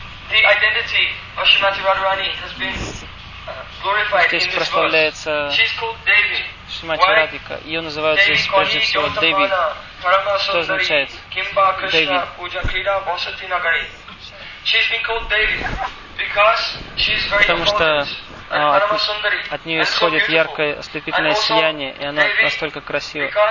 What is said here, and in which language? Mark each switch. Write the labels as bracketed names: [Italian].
[English] The identity of Shrimati Radharani has been glorified in this verse. She is called Devi. Shrimati Radhika. [Russian] Ее называют здесь прежде всего Деви. Что означает Деви? [English] She has been called Devi because she is very important. [Russian] От нее исходит яркое ослепительное сияние, и она настолько красива.